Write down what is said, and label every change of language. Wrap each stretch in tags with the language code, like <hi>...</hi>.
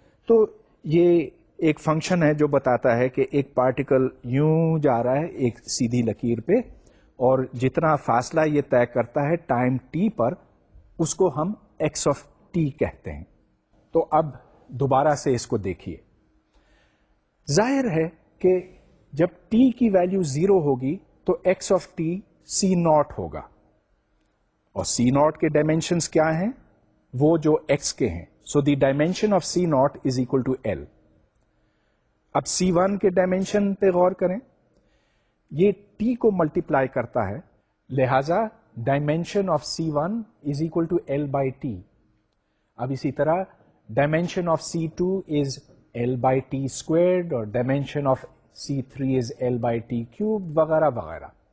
<ur>تو یہ ایک فنکشن ہے جو بتاتا ہے کہ ایک پارٹیکل یوں جا رہا ہے ایک سیدھی لکیر پہ, اور جتنا فاصلہ یہ طے کرتا ہے ٹائم ٹی پر, اس کو ہم ایکس آف ٹی کہتے ہیں. تو اب دوبارہ سے اس کو دیکھیے. ظاہر ہے کہ جب ٹی کی ویلیو زیرو ہوگی تو x of T C not ہوگا, اور سی ناٹ کے ڈائمینشنز کیا ہیں؟ وہ جو ایکس کے ہیں.</ur> <en>So the dimension of C naught is equal to L.</en> <ur>اب سی ون کے ڈائمینشن پہ غور کریں, یہ ٹی کو ملٹی پلائی کرتا ہے, لہذا</ur> <en>Dimension of C one is equal to L by T.</en> <ur>اب اسی طرح</ur> <en>dimension of C two is L by T squared,</en> <ur>اور</ur> <en>dimension of C three is L by T cube</en> <ur>وغیرہ وغیرہ.</ur>